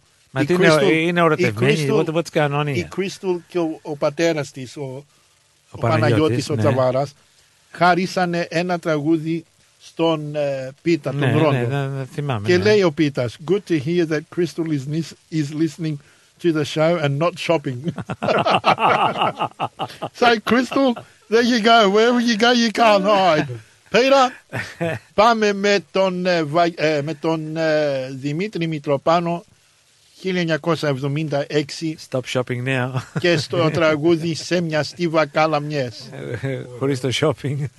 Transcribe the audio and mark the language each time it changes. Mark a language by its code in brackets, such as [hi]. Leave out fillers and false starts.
[el] Μα τι είναι ερωτευμένη, [en] what's going on here? [el] Η Κρίστουλ και ο πατέρας της, ο Παναγιώτης, ναι, ο Τζαβάρας, χάρισανε ένα τραγούδι στον Πίτα, ναι, τον Ρόντο. Ναι, θυμάμαι. Και ναι, λέει ο Πίτας, [en] good to hear that Crystal is listening to the show and not shopping. So Crystal, there you go, wherever you go you can't hide. [el] Πέρα, πάμε με τον Δημήτρη Μητροπάνο, 1976. [en] Stop shopping now. [el] Και στο τραγούδι «Σε μια στίβα καλαμιές». Χωρίς το shopping.